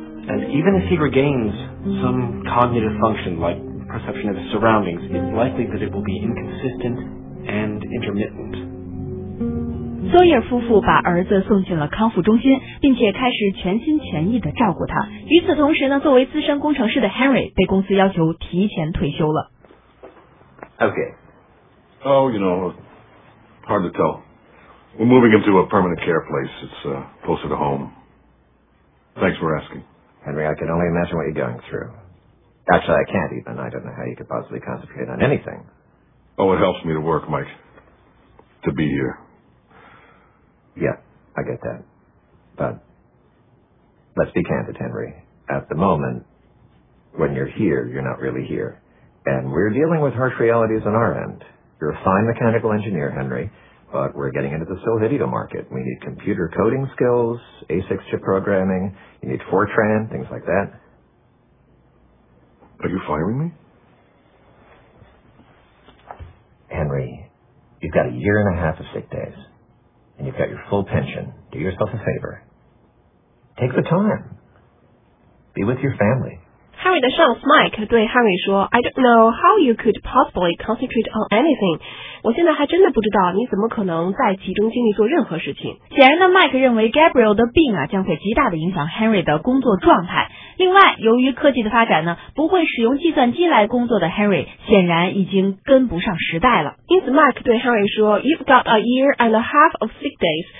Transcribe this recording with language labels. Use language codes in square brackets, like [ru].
[en] And even if he regains some cognitive function, like perception of his surroundings, it's likely that it will be inconsistent and intermittent. [zh] Sawyer 夫妇把儿子送进了康复中心，并且开始全心全意地照顾他。与此同时呢，作为资深工程师的 Henry 被公司要求提前退休了。 [en] Okay. Oh, you know, hard to tell. We're moving him to a permanent care place. It's, closer to home. Thanks for asking. Henry, I can only imagine what you're going through. Actually, I can't even. I don't know how you could possibly concentrate on anything. Oh, it helps me to work, Mike. To be here. Yeah, I get that. But, let's be candid, Henry. At the moment, when you're here, you're not really here. And we're dealing with harsh realities on our end. You're a fine mechanical engineer, Henry. but we're getting into the Solvitio market. We need computer coding skills, ASICs chip programming, you need Fortran, things like that. Are you firing me? Henry, you've got a year and a half of sick days, and you've got your full pension. Do yourself a favor. Take the time. Be with your family. Harry [zh] 的上司 Mike 对 Harry 说 [en] I don't know how you could possibly concentrate on anything. [zh] 我现在还真的不知道你怎么可能在集中精力做任何事情。显然呢 Mike 认为 Gabriel 的病啊将会极大的影响 Henry 的工作状态。另外由于科技的发展呢不会使用计算机来工作的 Henry 显然已经跟不上时代了。因此 Mike 对 Henry 说 [en] You've got a year and a half of sick days.